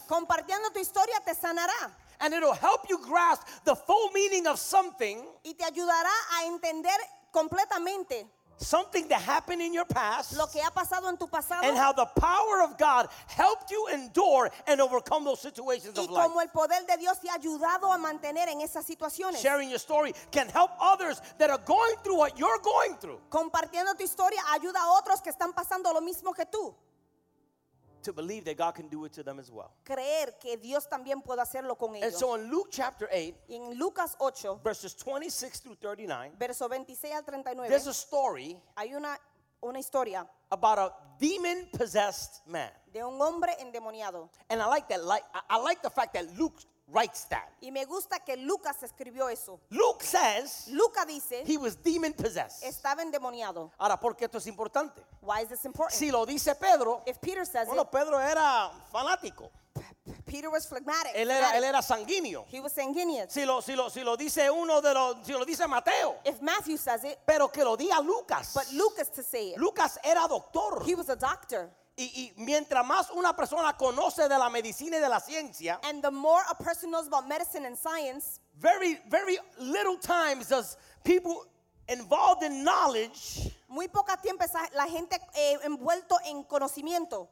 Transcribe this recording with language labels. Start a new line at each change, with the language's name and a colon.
Spanish: Compartiendo tu historia te sanará.
English: And it'll help you grasp the full meaning of something.
Spanish: Y te ayudará a entender completamente.
English: Something that happened in your past.
Spanish: Lo que ha pasado en tu pasado.
English: And how the power of God helped you endure and overcome those situations of life.
Spanish: Y cómo el poder de Dios te ha ayudado a mantener en esas situaciones.
English: Sharing your story can help others that are going through what you're going through.
Spanish: Compartiendo tu historia ayuda a otros que están pasando lo mismo que tú.
English: To believe that God can do it to them as well.
Spanish: Creer que Dios también puede hacerlo con ellos.
English: And so in Luke chapter 8,
Spanish: en Lucas 8,
English: verses 26 through 39,
Spanish: verso 26 al 39,
English: there's a story.
Spanish: Hay una historia
English: about a demon-possessed man.
Spanish: De un hombre endemoniado.
English: And I like the fact that Luke writes that.
Spanish: Y me gusta que Lucas escribió eso.
English: Luke says.
Spanish: Luca dice.
English: He was demon possessed.
Spanish: Estaba endemoniado. Ahora, ¿por qué esto es importante?
English: Why is this important?
Spanish: Si lo dice Pedro.
English: If Peter says
Spanish: bueno,
English: it.
Spanish: Pedro era fanático.
English: Peter was phlegmatic.
Spanish: Él era sanguíneo.
English: He was sanguineous.
Spanish: Si lo dice uno de los, si lo dice Mateo.
English: If Matthew says it.
Spanish: Pero que lo diga Lucas.
English: But Lucas to say it.
Spanish: Lucas era doctor.
English: He was a doctor.
Spanish: Y mientras más una persona conoce de la medicina y de la ciencia.
English: And the more a person knows about medicine and science. Very, very little times does people involved in knowledge.
Spanish: Muy poca tiempo la gente envuelto en conocimiento.